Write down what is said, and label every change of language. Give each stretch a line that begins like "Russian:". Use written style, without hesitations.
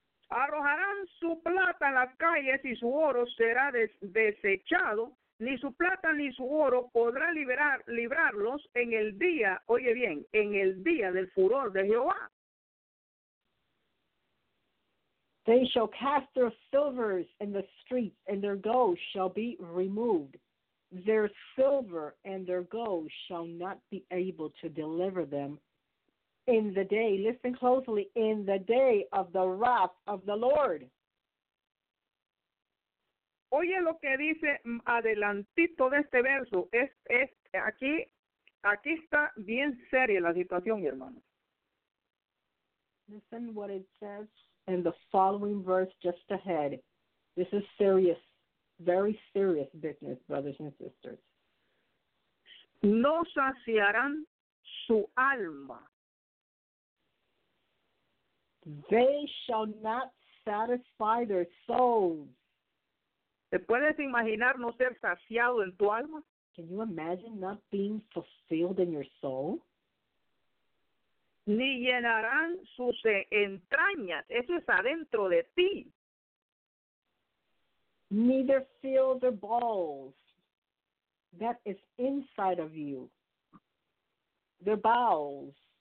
Spanish: Arrojarán su plata en las calles y su oro será desechado. Ni su plata ni su oro podrá librarlos en el día, oye bien, en el día del furor de Jehová.
English: They shall cast their silvers in the streets, and their gold shall be removed. Their silver and their gold shall not be able to deliver them in the day, listen closely, in the day of the wrath of the Lord.
Spanish: Oye lo que dice adelantito de este verso. Aquí está bien seria la situación, mi hermano.
English: Listen what it says in the following verse just ahead. This is serious, very serious business, brothers and sisters.
Spanish: No saciarán su alma.
English: They shall not satisfy their souls.
Spanish: ¿Te puedes imaginar no ser saciado en tu alma?
English: Can you imagine not being fulfilled in your soul?
Spanish: Ni llenarán sus entrañas. Eso es adentro de ti.
English: Neither fill the bowels. That is inside of you. The bowels.